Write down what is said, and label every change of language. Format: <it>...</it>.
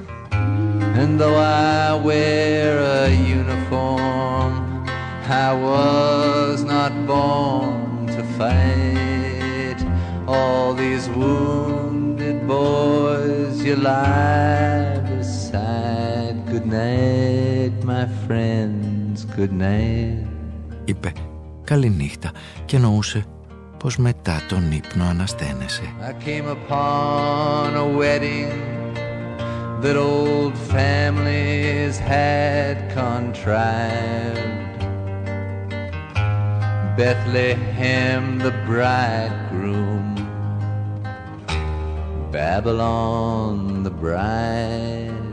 <en>And though I wear a uniform, I was not born fight. All these wounded boys you lie beside. Good night, my friends, good night.</en> <el>Είπε καληνύχτα και εννοούσε πως μετά τον ύπνο ανασταίνεσαι.</el> <en>I came upon a wedding that old families had contrived. Bethlehem, the bridegroom, Babylon, the bride.</en>